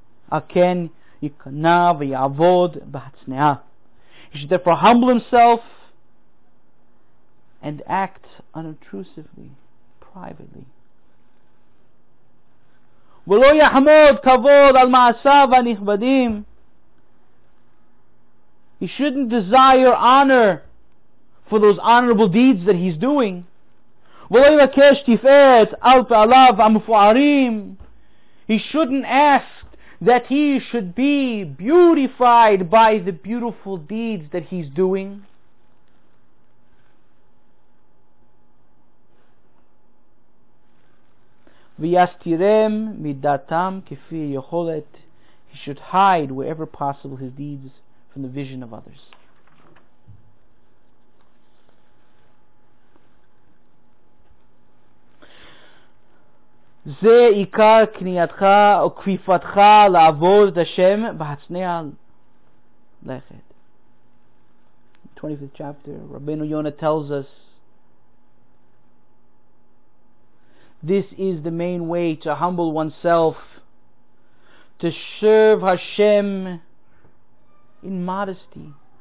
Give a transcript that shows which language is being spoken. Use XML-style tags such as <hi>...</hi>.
<he>Aken yikana v'yavod v'hatzne'ah.</he> <en>He should therefore humble himself and act unobtrusively, privately.</en> <he>ולא יחמוד כבוד על מעשיו הנכבדים.</he> <en>He shouldn't desire honor for those honorable deeds that he's doing.</en> <he>ולא יבקש תפארת על פעליו המפוארים.</he> <en>He shouldn't ask that he should be beautified by the beautiful deeds that he's doing.</en> <he>ויסתירם מדעתם כפי יכולת.</he> <en>He should hide wherever possible his deeds from the vision of others.</en> <he>זה עיקר כניעתך או כפיפתך לעבוד את השם והצניע לכת.</he> <en>25th chapter, Rabbeinu Yonah tells us, this is the main way to humble oneself, to serve Hashem in modesty.</en>